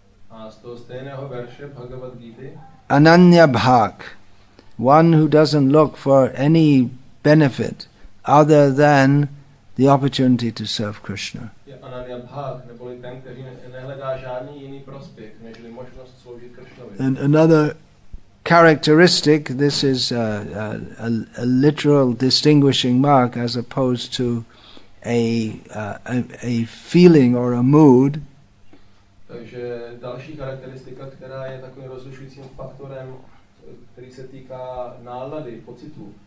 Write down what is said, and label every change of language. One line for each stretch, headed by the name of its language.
Czech: a z toho stejného verše Bhagavad Gita,
English: Ananya Bhak, one who doesn't look for any benefit other than the opportunity to serve Krishna. And another characteristic, this is a literal distinguishing mark as opposed to a feeling or a mood.
Czech: Takže další charakteristika, která je takovým rozlišujícím faktorem, který se týká nálady, pocitů.